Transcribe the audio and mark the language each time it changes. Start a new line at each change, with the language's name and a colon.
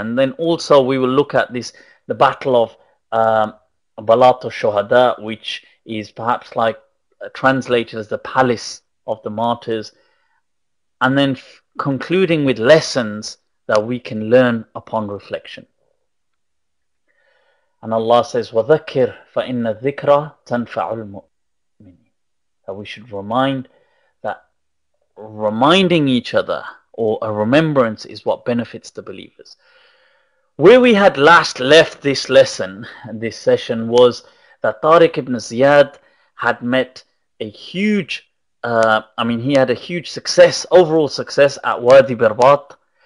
English: And then also we will look at this, the battle of Balāṭ al-Shuhadā, which is perhaps like translated as the palace of the martyrs. And then concluding with lessons that we can learn upon reflection. And Allah says,
Arabic: وَذَكِّرْ فَإِنَّ الذِّكْرَى تَنْفَعُ الْمُؤْمِنِينَ.
English: That we should remind, that reminding each other, or a remembrance, is what benefits the believers. Where we had last left this lesson, this session, was that Tariq ibn Ziyad had met a huge, he had a huge success, overall success at Wadi Birbat.